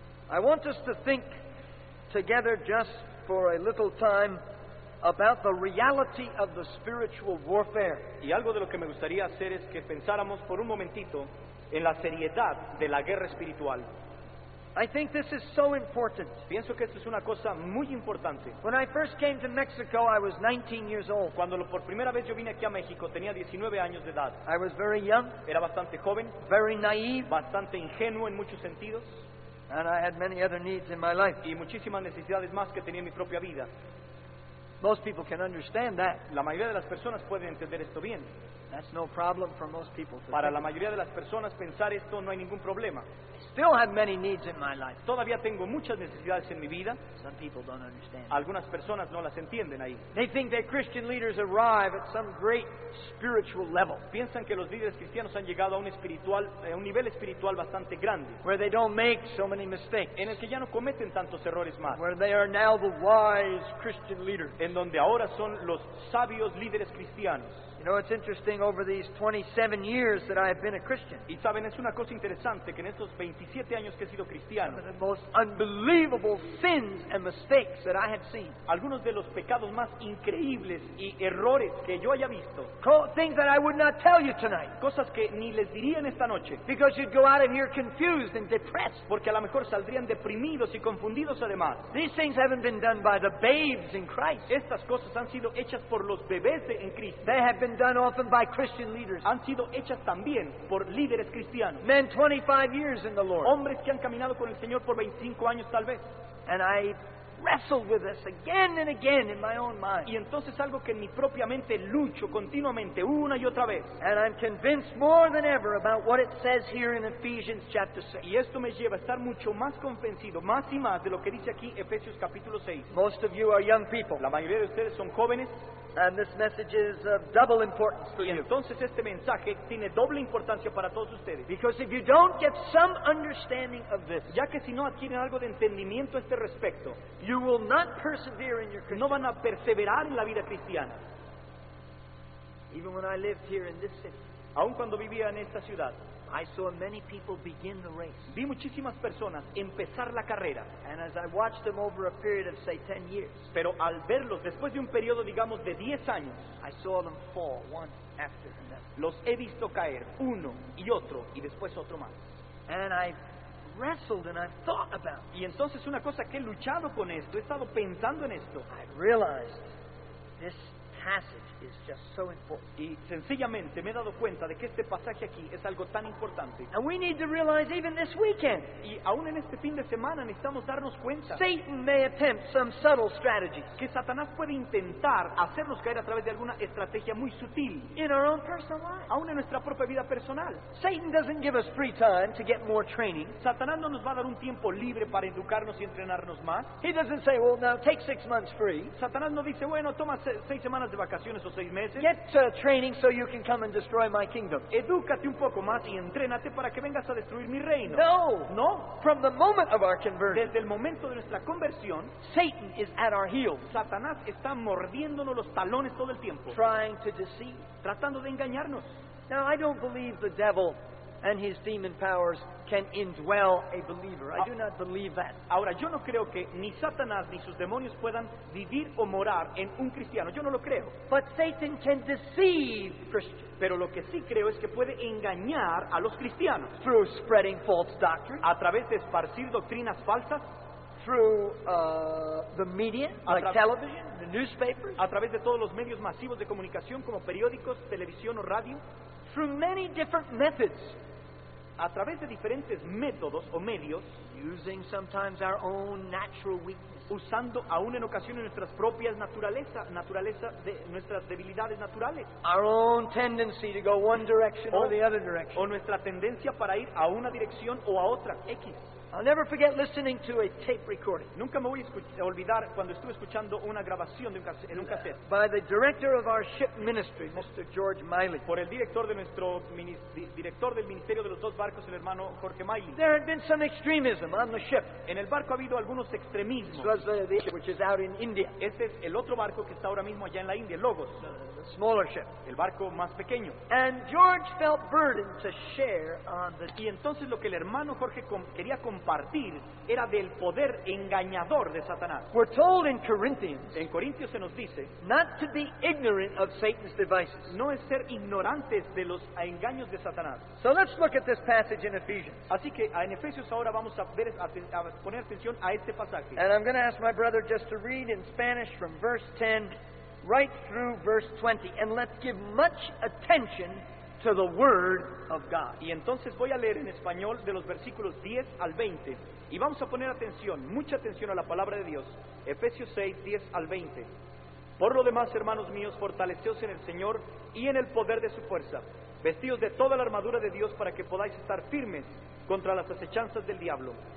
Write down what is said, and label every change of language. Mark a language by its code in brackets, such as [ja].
[en] I want us to think together just for a little time about the reality of the spiritual warfare. [es] Y algo de lo que me gustaría hacer es que pensáramos por un momentito en la seriedad de la guerra espiritual. [en] I think this is so important. [es] Pienso que esto es una cosa muy importante. [en] When I first came to Mexico, I was 19 years old. [es] Cuando por primera vez yo vine aquí a México, tenía 19 años de edad. [en] I was very young. [es] Era bastante joven. [en] Very naive. [es] Bastante ingenuo en muchos sentidos. [en] And I had many other needs in my life. [es] Y muchísimas necesidades más que tenía en mi propia vida. [en] Most people can understand that. [es] La mayoría de las personas pueden entender esto bien. [en] That's no problem for most people. [es] Para la mayoría de las personas pensar esto no hay ningún problema. [en] Still have many needs in my life. [es] Todavía tengo muchas necesidades en mi vida. [en] Some people don't understand. [es] Algunas personas no las entienden ahí. [en] They think that Christian leaders arrive at some great spiritual level. [es] Piensan que los líderes cristianos han llegado a un nivel espiritual bastante grande. [en] Where they don't make so many mistakes. [es] En el que ya no cometen tantos errores más. [en] Where they are now the wise Christian leaders. [es] En donde ahora son los sabios líderes cristianos. [en] You know, it's interesting over these 27 years that I have been a Christian. [es] Y saben, es una cosa interesante que en estos 27 años que he sido cristiano. [en] Some of the most unbelievable sins and mistakes that I have seen. [es] Algunos de los pecados más increíbles y errores que yo haya visto. [en] Things that I would not tell you tonight. [es] Cosas que ni les diría en esta noche. [en] Because you'd go out of here confused and depressed. [es] Porque a lo mejor saldrían deprimidos y confundidos además. [en] These things haven't been done by the babes in Christ. [es] Estas cosas han sido hechas por los bebés en Cristo. [en] They have been done often by Christian leaders. [es] Han sido hechas también por líderes cristianos. [en] Men 25 years in the Lord. [es] Hombres que han caminado con el Señor por 25 años tal vez. [en] And I wrestled with this again and again in my own mind. [es] Y entonces algo que en mi propia mente lucho continuamente una y otra vez. [en] And I'm convinced more than ever about what it says here in Ephesians chapter 6. [es] Y esto me lleva a estar mucho más convencido, más y más de lo que dice aquí Efesios capítulo 6. [en] Most of you are young people. [es] La mayoría de ustedes son jóvenes. [en] And this message is of double importance to you. [es] Entonces este mensaje tiene doble importancia para todos ustedes. [en] Because if you don't get some understanding of this, [es] ya que si no adquieren algo de entendimiento a este respecto, [en] you will not persevere in your Christian. [es] No van a perseverar en la vida cristiana. [en] Even when I lived here in this city, [es] aun cuando vivía en esta ciudad, [en] I saw many people begin the race. [es] Vi muchísimas personas empezar la carrera. [en] And as I watched them over a period of say 10 years. [es] Pero al verlos después de un periodo digamos de 10 años. [en] I saw them fall one after another. [es] Los he visto caer uno y otro y después otro más. [en] And I wrestled and I've thought about. [es] Y entonces una cosa que he luchado con esto, he estado pensando en esto. [en] I realized this passage is just so important. [es] Y sencillamente me he dado cuenta de que este pasaje aquí es algo tan importante. [en] And we need to realize even this weekend. [es] Y aún en este fin de semana necesitamos darnos cuenta. [en] Satan may attempt some subtle strategy. [es] Que Satanás puede intentar hacernos caer a través de alguna estrategia muy sutil. [en] In our own personal life. [es] Aún en nuestra propia vida personal. [en] Satan doesn't give us free time to get more training. [es] Satanás no nos va a dar un tiempo libre para educarnos y entrenarnos más. [en] He doesn't say, well, now take 6 months free. [es] Satanás no dice, bueno, toma 6 semanas de vacaciones o 6 meses. [en] Get training so you can come and destroy my kingdom. [es] Edúcate un poco más y entrénate para que vengas a destruir mi reino. [en] No. [es] No. [en] From the moment of our conversion. [es] Desde el momento de nuestra conversión, [en] Satan is at our heels. [es] Satanás está mordiéndonos los talones todo el tiempo. [en] Trying to deceive. [es] Tratando de engañarnos. [en] Now I don't believe the devil and his demon powers can indwell a believer. I do not believe that. [es] Ahora, yo no creo que ni Satanás ni sus demonios puedan vivir o morar en un cristiano. Yo no lo creo. [en] But Satan can deceive Christians. [es] Pero lo que sí creo es que puede engañar a los cristianos. [en] Through spreading false doctrine. [es] A través de esparcir doctrinas falsas. [en] Through the media, like television, the newspapers. [es] A través de todos los medios masivos de comunicación como periódicos, televisión o radio. [en] Through many different methods. [es] A través de diferentes métodos o medios. [en] Using sometimes our own natural weakness. [es] Usando aún en ocasiones nuestras propias nuestras debilidades naturales. [en] Our own tendency to go one direction or the other direction. [es] O nuestra tendencia para ir a una dirección o a otra. X. [en] I'll never forget listening to a tape recording. [es] Nunca me voy a olvidar cuando estuve escuchando una grabación de un cassette. [en] By the director of our ship ministry, Mr. George Miley. [es] Por el director de nuestro director del ministerio de los dos barcos, el hermano Jorge Miley. [en] There had been some extremism on the ship. [es] En el barco ha habido algunos extremismos. [en] This was the ship which is out in India. [es] Este es el otro barco que está ahora mismo allá en la India, Logos. [en] The smaller ship. [es] El barco más pequeño. [en] And George felt burdened to share on the. [es] Y entonces lo que el hermano Jorge quería compartir era del poder engañador de Satanás. [en] We're told in Corinthians, [es] en Corintios se nos dice, [en] not to be ignorant of Satan's devices. [es] No es ser ignorantes de los engaños de Satanás. [en] So let's look at this passage in Ephesians. [es] Así que en Efesios ahora vamos a ver a poner atención a este pasaje. [en] And I'm going to ask my brother just to read in Spanish from verse 10 right through verse 20, and let's give much attention to the word of God. [es] Y entonces voy a leer en español de los versículos 10 al 20 y vamos a poner atención, mucha atención a la palabra de Dios. Efesios 6, 10 al 20. Por lo demás, hermanos míos, fortaleceos en el Señor y en el poder de su fuerza. Vestíos de toda la armadura de Dios para que podáis estar firmes contra las acechanzas del diablo.